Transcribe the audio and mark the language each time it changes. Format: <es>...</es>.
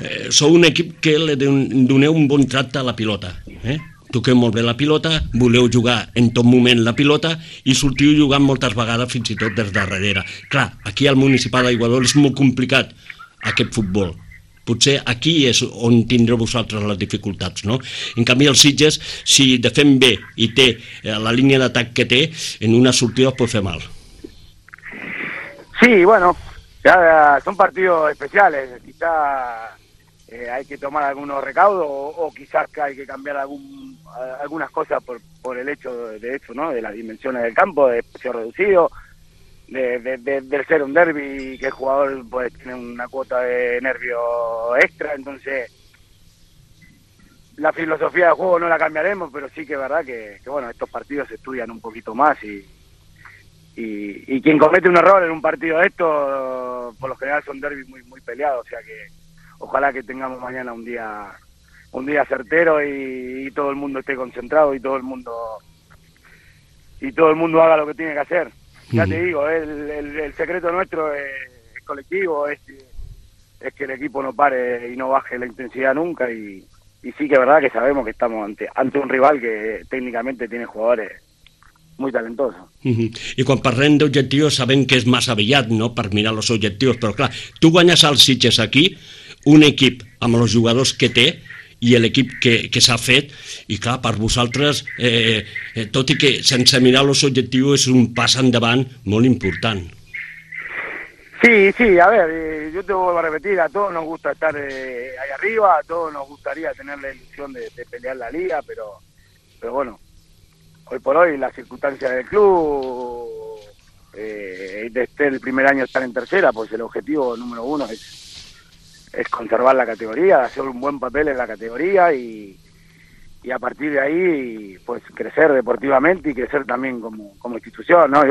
<ca>Sou un equip que li doneu un bon tracte a la pilota, Toqueu molt bé la pilota, voleu jugar en tot moment la pilota i sortiu jugant moltes vegades fins i tot des de darrere. Clar, aquí al Municipal d'Aiguador és molt complicat aquest futbol. Potser aquí és on tindreu vosaltres les dificultats, no? En canvi, el Sitges, si defen bé i té la línia d'atac que té, en una sortida es pot fer mal.</ca> <es>Sí, bueno, ya son partidos especiales. Quizá hay que tomar algunos recaudos o quizás que hay que cambiar algunas cosas por el hecho de eso, ¿no? De las dimensiones del campo, de espacio reducido, del ser un derbi que el jugador pues tiene una cuota de nervio extra, entonces la filosofía del juego no la cambiaremos, pero sí que es verdad que bueno, estos partidos se estudian un poquito más y quien comete un error en un partido de estos por lo general son derbis muy muy peleados, o sea que ojalá que tengamos mañana un día certero y todo el mundo esté concentrado y todo el mundo haga lo que tiene que hacer. Ya te digo, el secreto nuestro es colectivo, es que el equipo no pare y no baje la intensidad nunca y sí que es verdad que sabemos que estamos ante un rival que técnicamente tiene jugadores muy talentosos.</es> <ca>Y cuando parlen de objetivos saben que es más aviat,</ca> <es>¿no?, para mirar los objetivos, pero claro,</es> <ca>tú guanyas al Sitges aquí, un equip amb los jugadors que té i l'equip que s'ha fet, i clar, per vosaltres, tot i que sense mirar los objectius, és un pas endavant molt important.</ca> <es>Sí, a ver, yo te vuelvo a repetir, a todos nos gusta estar ahí arriba, a todos nos gustaría tener la ilusión de pelear la liga, pero bueno, hoy por hoy las circunstancias del club, desde el primer año estar en tercera, pues el objetivo número uno es conservar la categoría, hacer un buen papel en la categoría y a partir de ahí pues crecer deportivamente y crecer también como institución, ¿no?</es>